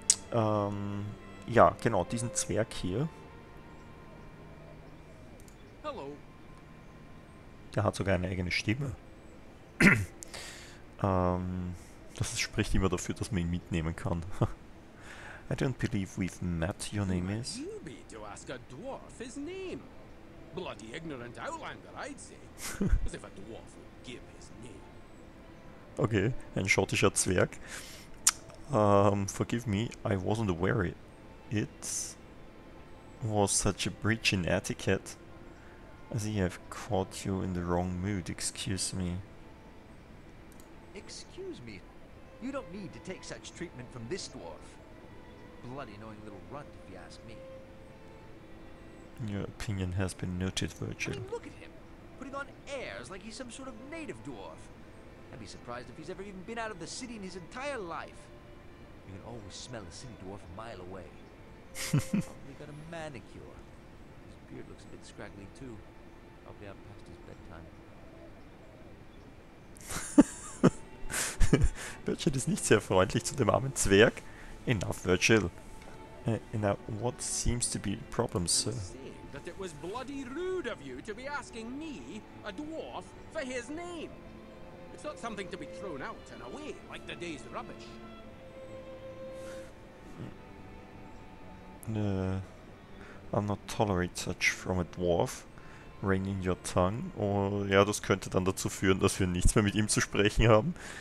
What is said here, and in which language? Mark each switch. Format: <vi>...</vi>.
<de>Ja, genau, diesen Zwerg hier. Hallo. Der hat sogar eine eigene Stimme. Das spricht immer dafür, dass man ihn mitnehmen kann.</de> <en>I don't believe we've met, your Who name is. You be to ask a dwarf his name? Bloody ignorant outlander, I'd say. As if a dwarf would give his name. Okay,</en> <de>ein schottischer Zwerg.</de> <en>Forgive me, I wasn't aware it was such a breach in etiquette. I think I've caught you in the wrong mood, excuse me. Excuse me? You don't need to take such treatment from this dwarf. Bloody annoying little runt, if you ask me. Your opinion has been noted, Virgil. I mean, look at him, putting on airs like he's some sort of native dwarf. I'd be surprised if he's ever even been out of the city in his entire life. You can always smell a city dwarf a mile away. Probably got a manicure. Beard looks a bit scraggly too. Probably out past his bedtime.</en> <de>Virgil ist nicht sehr freundlich zu dem armen Zwerg.</de> <en>Enough, Virgil. Now, what seems to be the problem, sir? That it was bloody rude of you to be asking me, a dwarf, for his name. It's not something to be thrown out and away like the day's rubbish. I'll not tolerate such from a dwarf. Rein in your tongue.</en> <de>Oh, ja, das könnte dann dazu führen, dass wir nichts mehr mit ihm zu sprechen haben.</de>